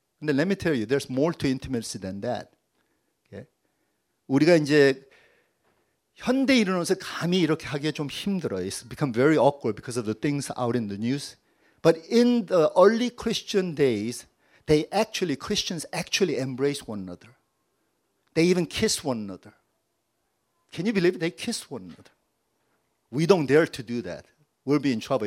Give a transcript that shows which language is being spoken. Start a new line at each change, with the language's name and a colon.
English: But let me tell you, there's more to intimacy than that. Okay?
Korean: 우리가 이제 현대 이론에서 감히 이렇게 하기가 좀 힘들어요.
English: It's become very awkward because of the things out in the news. But in the early Christian days, Christians actually embrace one another. They even kiss one another. Can you believe it? They kiss one another. We don't dare to do that. We'll be in trouble.